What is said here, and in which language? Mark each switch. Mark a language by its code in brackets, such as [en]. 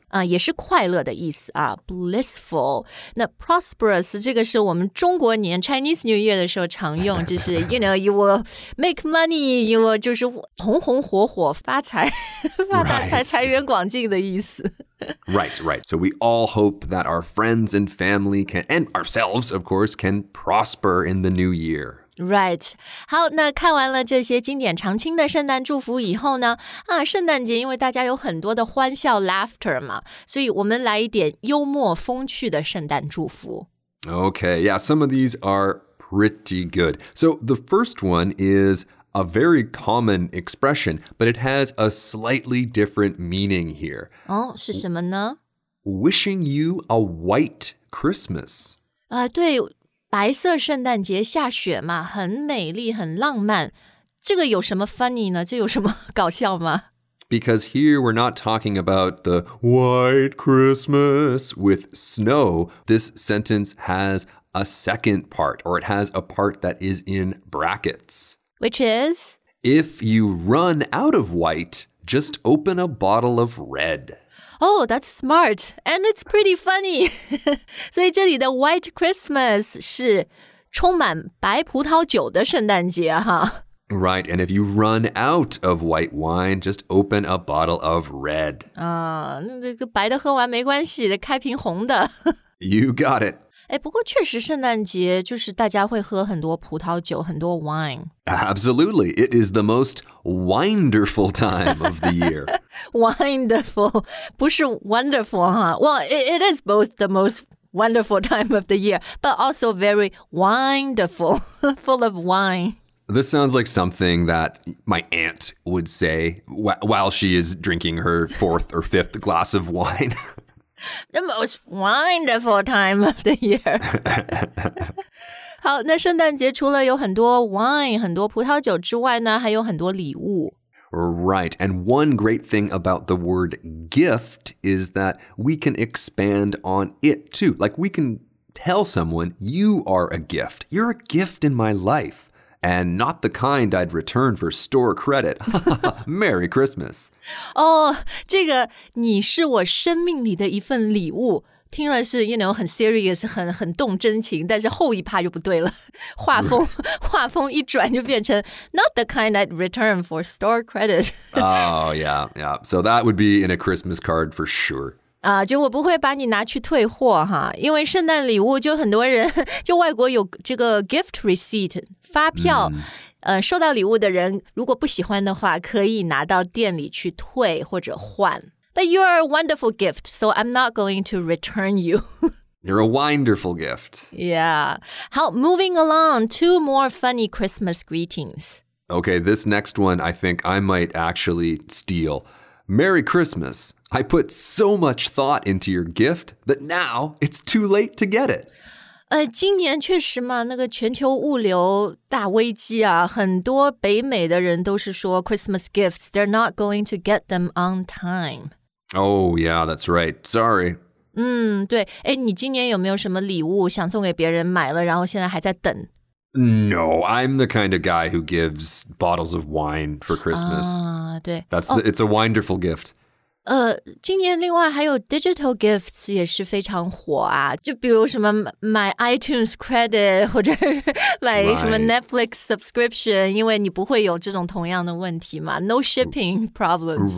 [zh] 啊，也是快乐的意思啊。Blissful， 那 prosperous 这个是我们中国年 Chinese New Year 的时候常用，就是 [en] you know you will [zh] make money， you will 就是红红火火发财，发大财， [en] right. [zh] 财源广进的意思。 [en] Right, right. So we all hope that our friends and family can, and ourselves of course, can prosper in the new year. Right. [zh] 好，那看完了这些经典常青的圣诞祝福以后呢，啊，圣诞节因为大家有很多的欢笑 laughter 嘛，所以我们来一点幽默风趣的圣诞祝福。 [en] Okay, yeah, some of these are pretty good. So the first one is a very common expression, but it has a slightly different meaning here. [zh] 哦，是什么呢？ [en] Wishing you a white Christmas. [zh] 啊，对。白色圣诞节下雪嘛，很美丽，很浪漫。这个有什么 funny 呢？这有什么搞笑吗？ [en] Because here we're not talking about the white Christmas with snow. This sentence has a second part, or it has a part that is in brackets. Which is? If you run out of white, just open a bottle of red. Oh, that's smart, and it's pretty funny. [zh] 所以这里的 White Christmas 是充满白葡萄酒的圣诞节哈。 [en] Right, and if you run out of white wine, just open a bottle of red. [zh] 那个白的喝完没关系，开瓶红的。 [en] You got it. [zh] 哎，不过确实圣诞节就是大家会喝很多葡萄酒，很多 wine. [en] Absolutely, it is the most wonderful time of the year. Wonderful, [zh] 不是 [en] wonderful, huh? Well, it is both the most wonderful time of the year, but also very wonderful, full of wine. This sounds like something that my aunt would say while she is drinking her fourth or fifth glass of wine. The most wonderful time of the year. [zh] 好，那圣诞节除了有很多 wine, 很多葡萄酒之外呢，还有很多礼物。 [en] Right, and one great thing about the word gift is that we can expand on it too. Like we can tell someone, you are a gift. You're a gift in my life. And not the kind I'd return for store credit. Merry Christmas. [zh] Oh, 这个你是我生命里的一份礼物。听了是 [en] you know, [zh] 很 serious, 很动真情，但是后一趴就不对了。画风一转就变成 [en] not the kind I'd return for store credit. Oh, yeah, yeah. So that would be in a Christmas card for sure. [zh] 就我不会把你拿去退货哈，因为圣诞礼物就很多人，就外国有这个 gift receipt, 发票、收到礼物的人如果不喜欢的话可以拿到店里去退或者换。 [en] But you're a wonderful gift, so I'm not going to return you. You're a wonderful gift. Yeah. [zh] 好 [en] moving along, two more funny Christmas greetings. Okay, this next one I think I might actually steal. Merry Christmas. I put so much thought into your gift that now it's too late to get it. [zh] 今年确实嘛，那个全球物流大危机啊，很多北美的人都是说 [en] Christmas gifts, they're not going to get them on time. Oh yeah, that's right. Sorry. [zh] 对，你今年有没有什么礼物想送给别人买了，然后现在还在等？ [en] No, I'm the kind of guy who gives bottles of wine for Christmas. [zh] 对。 [en] It's a wonderful gift. [zh] 今年另外还有 digital gifts 也是非常火啊，就比如什么买 iTunes credit 或者买什么 Netflix subscription, 因为你不会有这种同样的问题嘛 , [en] no shipping problems.